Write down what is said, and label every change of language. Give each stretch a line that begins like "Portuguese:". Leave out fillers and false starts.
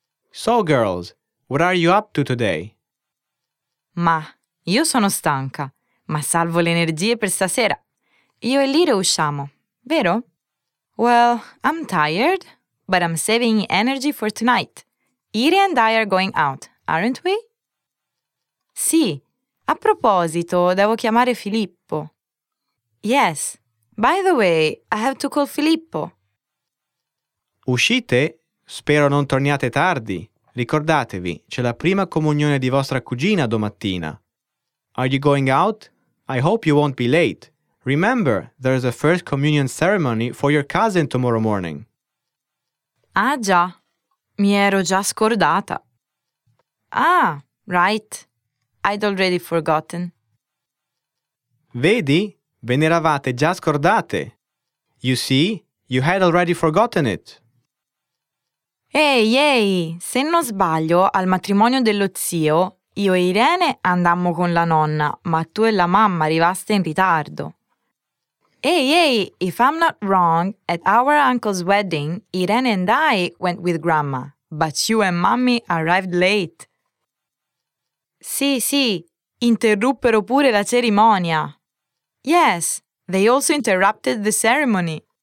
English: So girls, what are you up to today?
Italian: Ma, io sono stanca, ma salvo le energie per stasera. Io e Lira usciamo, vero?
English: Well, I'm tired, but I'm saving energy for tonight. Iri and I are going out, aren't we?
Italian: Sì, a proposito, devo chiamare Filippo.
English: Yes, by the way, I have to call Filippo.
Italian: Uscite? Spero non torniate tardi. Ricordatevi, c'è la prima comunione di vostra cugina domattina.
English: Are you going out? I hope you won't be late. Remember, there's a first communion ceremony for your cousin tomorrow morning.
Italian: Ah già, mi ero già scordata.
English: Ah, right. I'd already forgotten.
Italian: Vedi? Ve ne eravate già scordate.
English: You see, you had already forgotten it.
Italian: Ehi, se non sbaglio, al matrimonio dello zio, io e Irene andammo con la nonna, ma tu e la mamma arrivaste in ritardo.
English: Ehi, if I'm not wrong, at our uncle's wedding, Irene and I went with grandma, but you and mommy arrived late.
Italian: Sì, interruppero pure la cerimonia.
English: Yes, they also interrupted the ceremony.